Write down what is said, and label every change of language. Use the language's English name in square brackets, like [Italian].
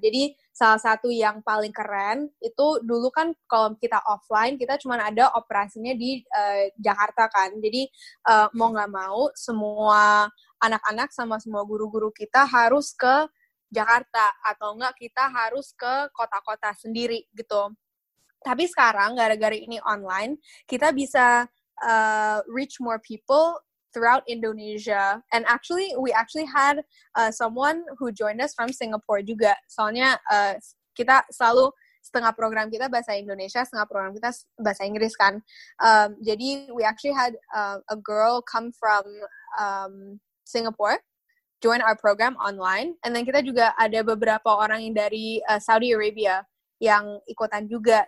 [Indonesian] Jadi salah satu yang paling keren itu dulu kan kalau kita offline kita cuma ada operasinya di Jakarta kan. Jadi mau nggak mau semua anak-anak sama semua guru-guru kita harus ke Jakarta atau nggak kita harus ke kota-kota sendiri gitu. Tapi sekarang gara-gara ini online kita bisa [English] reach more people throughout Indonesia, and actually, we actually had someone who joined us from Singapore juga. [Indonesian] Soalnya kita selalu setengah program kita bahasa Indonesia, setengah program kita bahasa Inggris kan. [English] Jadi we actually had a girl come from Singapore join our program online, and then [Indonesian] kita juga ada beberapa orang yang dari Saudi Arabia yang ikutan juga.